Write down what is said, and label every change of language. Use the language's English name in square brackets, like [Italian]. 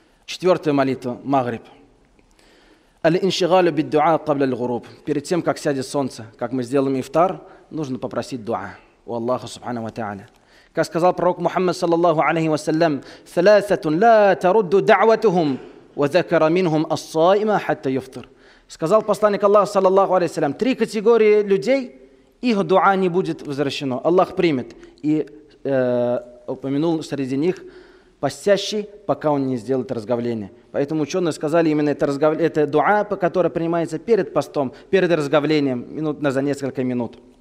[Russian] Четвертая молитва, [Arabic] Магриб. Аль-иншигалю бид-дуа кабля аль-гуруб. [Russian] Перед тем, как сядет солнце, как мы сделаем ифтар, нужно попросить дуа у Аллаха, субхану ва та'аля. Как сказал пророк Мухаммад, саллаллаху алейхи ва саллям: [Arabic] «Саласатун ла тарудду дауатухум». وذكر منهم الصائم حتى يفطر. [Russian] Сказал посланник Аллаха, саллаллаху алейхи ва саллям: три категории людей, их дуа не будет возвращено, Аллах примет. И упомянул среди них постящий, пока он не сделает разговление. Поэтому ученые сказали, именно это дуа, которое принимается перед постом, перед разговлением, за несколько минут.